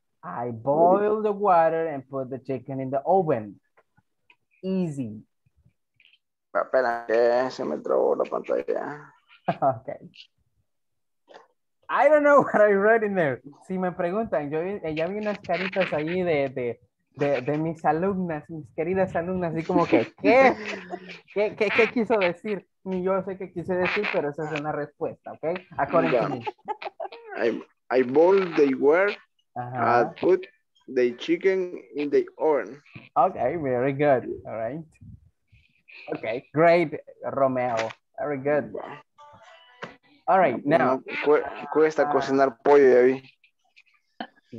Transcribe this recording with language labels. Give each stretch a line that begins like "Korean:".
English: I boil the water and put the chicken in the oven. Easy.
Spanish: Bueno, espera, que se me trabó la pantalla. Okay.
English: I don't know what I read in there.
Spanish: Si me preguntan, yo ya vi unas caritas ahí de mis alumnas, mis queridas alumnas, así como que, ¿qué quiso decir? Ni yo sé qué quise decir, pero esa es una respuesta, ¿ok?
English: According to me. I boil the water, put the chicken in the oven. Okay, very good, all right. Okay, great, Romeo, very good. All right, now.
Spanish: Cuesta cocinar pollo, ya vi.